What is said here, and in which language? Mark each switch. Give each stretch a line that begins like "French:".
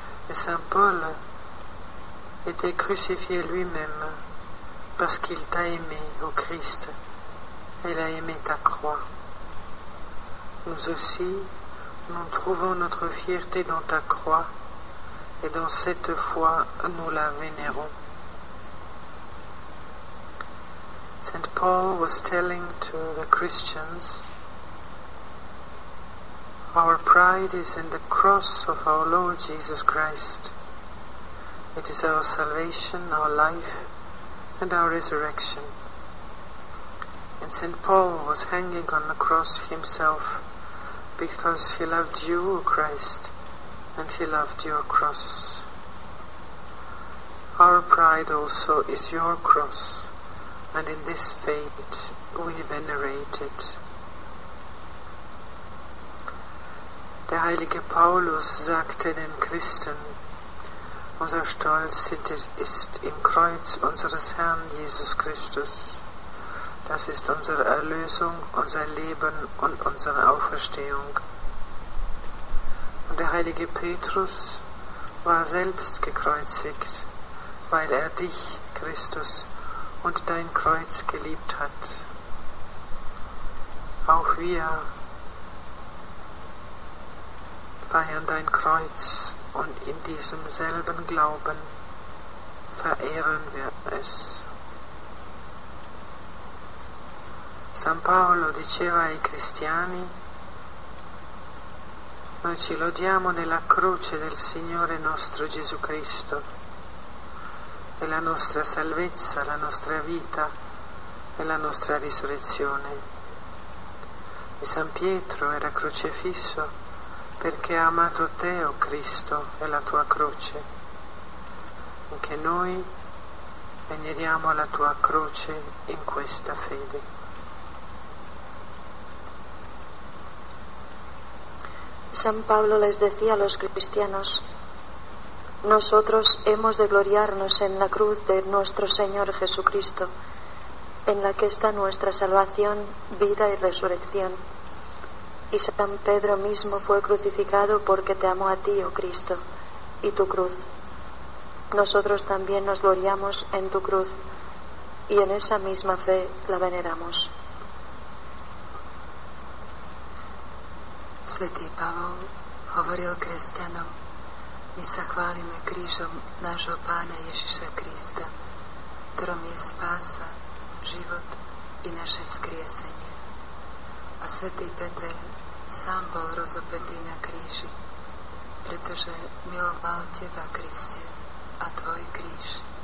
French: Et Saint Paul était crucifié lui-même parce qu'il t'a aimé, ô Christ, et l'a aimé ta croix. Nous aussi, nous trouvons notre fierté dans ta croix, et dans cette foi, nous la vénérons.
English: Saint Paul was telling to the Christians, our pride is in the cross of our Lord Jesus Christ. It is our salvation, our life, and our resurrection. And Saint Paul was hanging on the cross himself, because he loved you, O Christ, and he loved your cross. Our pride also is your cross, and in this faith we venerate it.
German: Der heilige Paulus sagte den Christen, unser Stolz ist im Kreuz unseres Herrn Jesus Christus. Das ist unsere Erlösung, unser Leben und unsere Auferstehung. Und der heilige Petrus war selbst gekreuzigt, weil er dich, Christus, und dein Kreuz geliebt hat. Auch wir feiern dein Kreuz und in diesem selben Glauben verehren wir es.
Italian: San Paolo diceva ai cristiani, noi ci lodiamo nella croce del Signore nostro Gesù Cristo, è la nostra salvezza, la nostra vita e la nostra risurrezione. E San Pietro era crocefisso perché ha amato te, o Cristo, e la tua croce. Anche noi veneriamo la tua croce in questa fede.
Spanish: San Pablo les decía a los cristianos, nosotros hemos de gloriarnos en la cruz de nuestro Señor Jesucristo, en la que está nuestra salvación, vida y resurrección. y San Pedro mismo fue crucificado porque te amó a ti, oh Cristo, y tu cruz. Nosotros también nos gloriamos en tu cruz y en esa misma fe la veneramos.
Slovak: Svätý Pavol hovoril kresťanom: my sa chválime krížom nášho Pána Ježiša Krista, ktorom je spása, život i naše vzkriesenie. A svätý Peter sám bol rozopetý na kríži, pretože miloval teba, Kriste, a tvoj kríž.